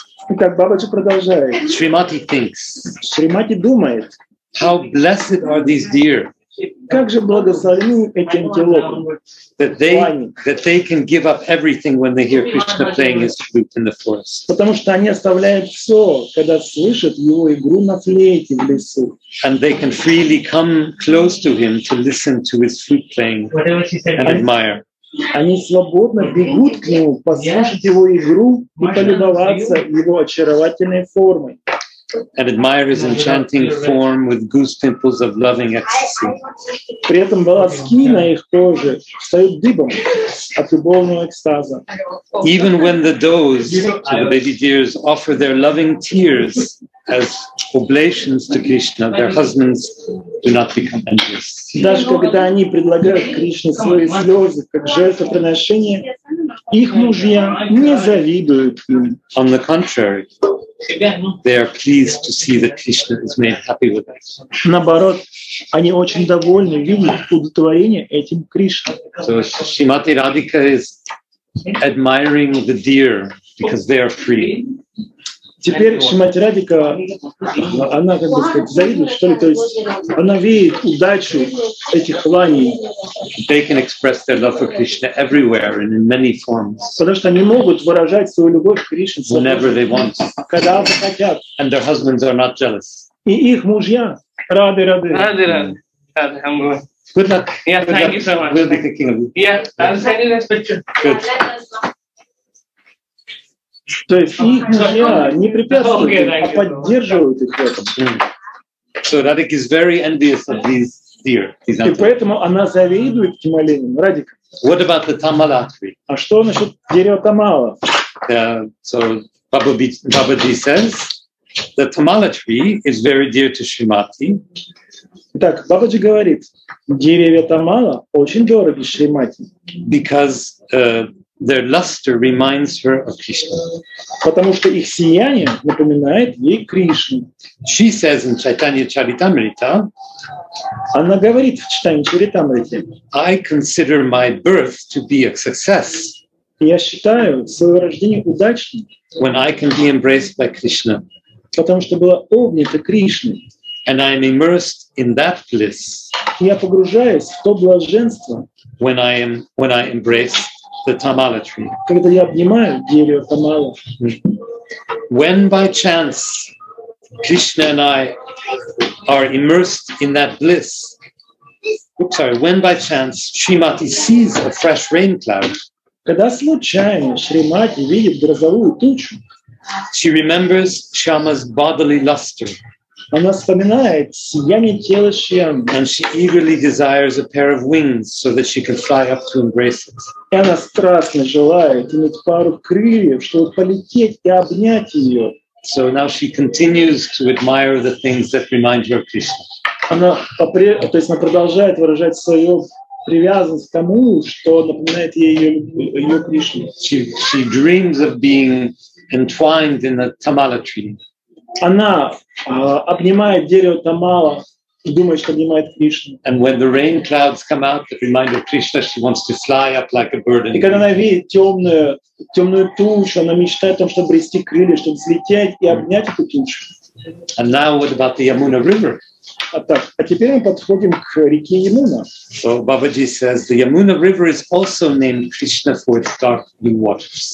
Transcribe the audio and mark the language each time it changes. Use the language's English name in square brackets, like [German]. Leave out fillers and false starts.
[Russian] Итак, Бабаджи продолжает. [English] Shrimati thinks. [Russian] Shrimati думает. [English] How blessed are these deer? [Russian] Как же благословены эти антилопы? [English] That they can give up everything when they hear Krishna playing his flute in the forest. [Russian] Потому что они оставляют все, когда слышат его игру на флейте в лесу. [English] And they can freely come close to him to listen to his flute playing and admire. [Russian] Они свободно бегут к нему, послушать его игру и полюбоваться его очаровательной формой. [English] And admire his enchanting form with goose pimples of loving ecstasy. [Russian] При этом волоски на их коже встают дыбом от любовного экстаза. [English] Even when the does, the baby deers, offer their loving tears as oblations to Krishna, their husbands do not become envious. [Russian] Даже когда они предлагают Кришне свои слезы как жертвоприношение, их мужья не завидуют им. [English] On the contrary, they are pleased to see that Krishna is made happy with us. [Russian] Наоборот, они очень довольны, видят удовлетворение этим Кришне. [English] So Shrimati Radhika is admiring the deer because they are free. [Russian] Теперь Шримати Радика, она, как бы сказать, завидует, что ли, то есть она видит удачу этих ланей. [English] They can express their love for Krishna everywhere and in many forms. [Russian] Потому что они могут выражать свою любовь к Кришне. [English] Whenever they want. [Russian] Когда они хотят. [English] And their husbands are not jealous. [Russian] И их мужья рады, рады. Рады, рады. [English] Good luck. Yeah, thank you so much. We'll be thinking of you. Yeah, I'll send you this picture. Good. [Russian] То есть их мужья не препятствуют, а поддерживают их в этом. [English] So Radhika is very envious of these deer. [Russian] И поэтому она завидует этим оленям. Радика. [English] What about the tamala tree? [Russian] А что насчет дерева тамала? [English] So Babaji says the tamala tree is very dear to Shrimati. [Russian] Так, Бабаджи говорит, деревья тамала очень дороги Шримати. [English] Because their luster reminds her of Krishna. [Russian] Потому что их сияние напоминает ей Кришну. [English] She says in Chaitanya Charitamrita, [Russian] она говорит в Чайтанья Чаритамрите, [English] I consider my birth to be a success. [Russian] Я считаю свое рождение удачным. [English] When I can be embraced by Krishna. [Russian] Потому что была обнята Кришной. [English] And I am immersed in that bliss. [Russian] Я погружаюсь в то блаженство. [English] When I embrace the tamala tree. [Russian] Когда я обнимаю дерево тамала. [English] When by chance Krishna and I are immersed in that bliss. Oops, sorry. When by chance Shrimati sees a fresh rain cloud. [Russian] Когда случайно Шримати видит грозовую тучу, [English] she remembers Shyama's bodily luster. [Russian] Она вспоминает сияние тела Шьямы. [English] And she eagerly desires a pair of wings so that she can fly up to embrace it. [Russian] И она страстно желает иметь пару крыльев, чтобы полететь и обнять ее. [English] So now she continues to admire the things that remind her of Krishna. [Russian] Она, то есть она продолжает выражать свою привязанность к тому, что напоминает ей ее Кришну. [English] She dreams of being entwined in a tamala tree. [Russian] Она обнимает дерево тамала и думает, что обнимает Кришну. [English] And when the rain clouds come out that remind her of Krishna, she wants to fly up like a bird. [Russian] И когда она видит темную тучу, она мечтает о том, чтобы обрести крылья, чтобы взлететь и обнять эту тучу. [English] And now what about the Yamuna River? [Russian] А теперь мы подходим к реке Ямуна. [English] So Бабаджи says the Yamuna River is also named Krishna for its dark blue waters.